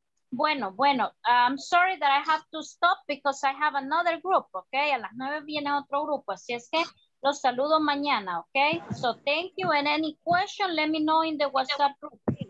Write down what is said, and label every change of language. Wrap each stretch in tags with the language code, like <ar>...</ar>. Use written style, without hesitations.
<es>Bueno,</es> <en>I'm sorry that I have to stop because I have another group, ¿ok?</en> <es>A las 9 viene otro grupo, así es que los saludo mañana, ¿ok?</es> <en>So, thank you, and any question, let me know in the WhatsApp group.</en>